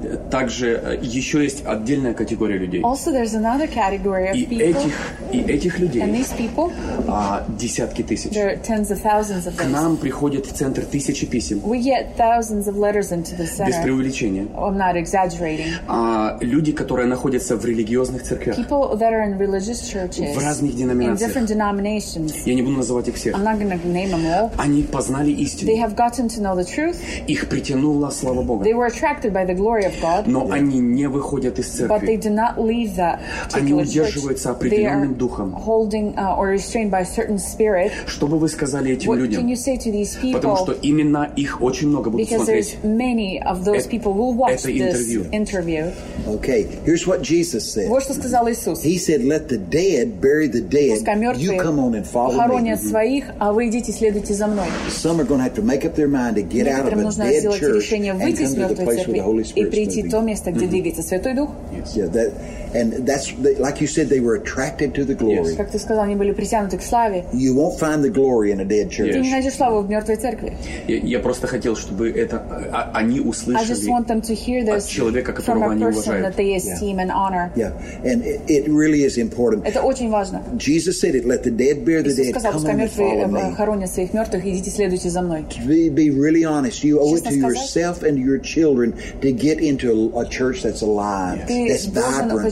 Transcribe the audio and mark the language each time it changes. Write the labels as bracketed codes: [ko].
[ru] Также еще есть отдельная категория людей. [en] Also, there's another category of people. [ru] И этих людей. [en] And these people. [ru] Десятки тысяч. [en] There are tens of thousands of them. [ru] К нам приходят в центр тысячи писем. [en] We get thousands of letters into the center. [ru] Без преувеличения. [en] I'm not exaggerating. [ru] Люди, которые находятся в религиозных церквях. [en] People that are in religious churches. [ru] В разных деноминациях. [en] In different denominations. [ru] Я не буду называть их всех. [en] I'm not going to name them all. [ru] Они познали истину. [en] They have gotten to know the truth. [ru] Их притянула слава Бога. [en] They were attracted by the glory of God. [ru] Но они не выходят из церкви. [en] But they do not leave that particular church. [ru] Они удерживаются определенным духом. [en] They are holding or restrained by a certain spirit. [ru] Что бы вы сказали этим [en] What [ru] людям? [en] Can you say to these people? [ru] Потому что именно их очень много будут [en] Because [ru] смотреть. [en] Because there's many of those people will watch this interview. Okay, here's what Jesus said. [ru] Вот что сказал Иисус. [en] He said, "Let the dead bury the dead. You come on and follow me." [ru] Хоронят своих, а вы идите следуйте за мной. [en] Some are going to have to make up their mind to get out of a dead church. [ru] И прийти в то место, где двигается Святой Дух. [en] And that's like you said, they were attracted to the glory. Yes. [ru] Как ты сказал, они были притянуты к славе. [en] You won't find the glory in a dead church. [ru] Ты не найдешь славу в мертвой церкви. Я просто хотел, чтобы это они услышали. [en] I just want them to hear this from a person that they esteem and honor. Yeah, and it really is important. [ru] Это очень важно. [en] Jesus said it. Let the dead bury the dead. [ru] Иисус сказал, пускай мертвые хоронят своих мертвых, идите следуйте за мной. [en] Be really honest. You owe it to yourself and your children to get into a church that's alive, that's vibrant.